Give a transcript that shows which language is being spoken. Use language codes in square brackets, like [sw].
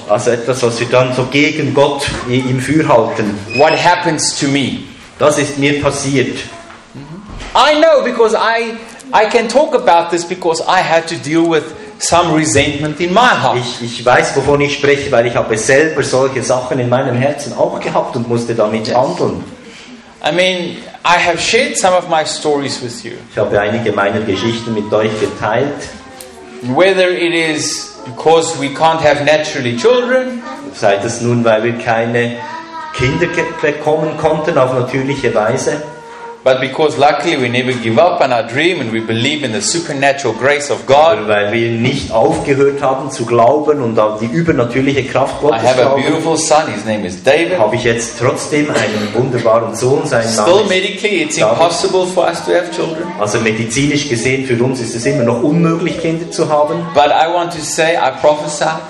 [de] Also etwas, was wir dann so gegen Gott im Feuer halten. [en] What happens to me? [de] Das ist mir passiert. [en] I know because I can talk about this because I had to deal with some resentment in my heart. [de] Ich weiß, wovon ich spreche, weil ich habe selber solche Sachen in meinem Herzen auch gehabt und musste damit handeln. [en] I mean, I have shared some of my stories with you. [de] Ich habe einige meiner Geschichten mit euch geteilt. [en] Whether it is because we can't have naturally children, [de] sei das nun, weil wir keine Kinder bekommen konnten auf natürliche Weise, [en] but because luckily we never give up on our dream and we believe in the supernatural grace of God, [de] weil wir nicht aufgehört haben zu glauben und an die übernatürliche Kraft Gottes. [en] I have a beautiful son, his name is David. [de] Habe ich jetzt trotzdem einen wunderbaren Sohn, sein Name. [en] Still medically it's impossible for us to have children. [de] Also medizinisch gesehen für uns ist es immer noch unmöglich, Kinder zu haben. [en] But I want to say, I prophesy.